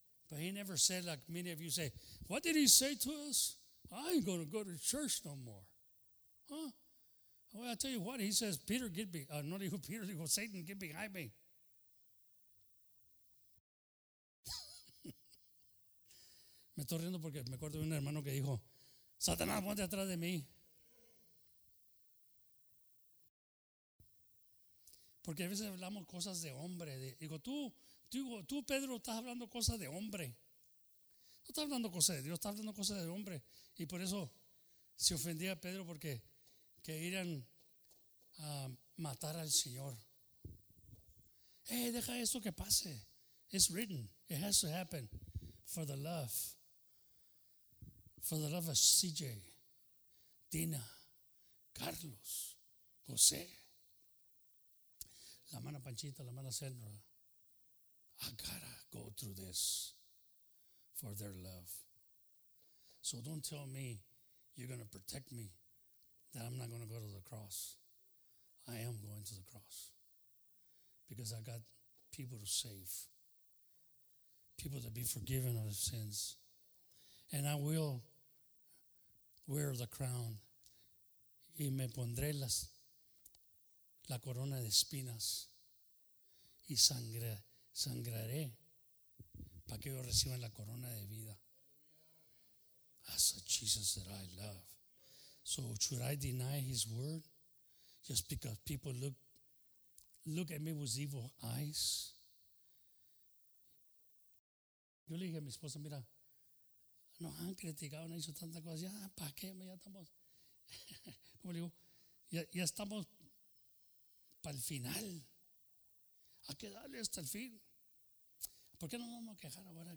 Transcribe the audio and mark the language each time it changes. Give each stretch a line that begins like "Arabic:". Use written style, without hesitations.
English: But he never said, like many of you say, what did he say to us? I ain't going to go to church no more. Huh? Well, I tell you what, he says, Peter, get me. Not even Peter, he goes, Satan, get behind me.
Spanish: Me estoy riendo porque me acuerdo de un hermano que dijo, Satanás, ponte atrás de mí. Porque a veces hablamos cosas de hombre. Digo, tú, Pedro, estás hablando cosas de hombre. No estás hablando cosas de Dios, estás hablando cosas de hombre. Y por eso se ofendía a Pedro porque que irán a matar al Señor. Hey, deja esto que pase. It's written.
English: It has to happen for the love. For the love of CJ, Tina, Carlos, José, la mano Panchita, la mano Sandra. I gotta go through this for their love. So don't tell me you're going to protect me that I'm not going to go to the cross. I am going to the cross because I got people to save, people to be forgiven of their sins. And I will wear the crown.
Spanish: Y me pondré la corona de espinas. Y sangraré para que ellos reciban la corona de vida.
English: That's a Jesus that I love. So should I deny his word just because people look at me with evil eyes?
Spanish: Yo le dije a mi esposa, mira, nos han criticado, nos hizo tantas cosas. Ya, ¿para qué? Ya estamos, como le digo, ya estamos para el final. Hay que darle hasta el fin. ¿Por qué no nos vamos a quejar ahora?